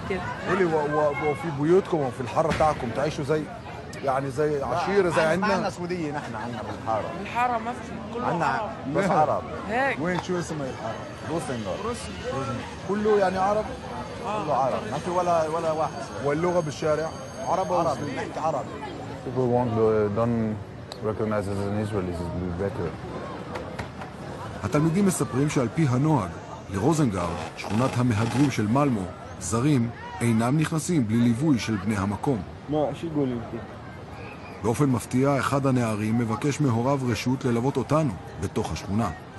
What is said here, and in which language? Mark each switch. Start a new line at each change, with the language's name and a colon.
Arabic: كثير. قولي وفي بيوتكم وفي الحاره تاعكم تعيشوا زي يعني زي عشيره زي عندنا؟ عندنا سعوديين نحن عندنا بالحاره. الحاره ما في كله عندنا بس عرب. هيك وين شو اسمها الحاره؟ روسنجور. روسنجور. كله يعني عرب؟ اه كله عرب، ما في ولا واحد سعودي. واللغه بالشارع؟ عرب ولا عربي؟ بنحكي عربي.
English: People won't recognize us as an Israelis, it'd be better.
Hebrew: התלמידים מספרים שעל פי הנוהג, לרוזנגארד, שכונת המהגרים של מלמו, זרים אינם נכנסים בלי ליווי של בני המקום. באופן מפתיע, אחד הנערים מבקש מהוריו רשות ללוות אותנו בתוך השכונה.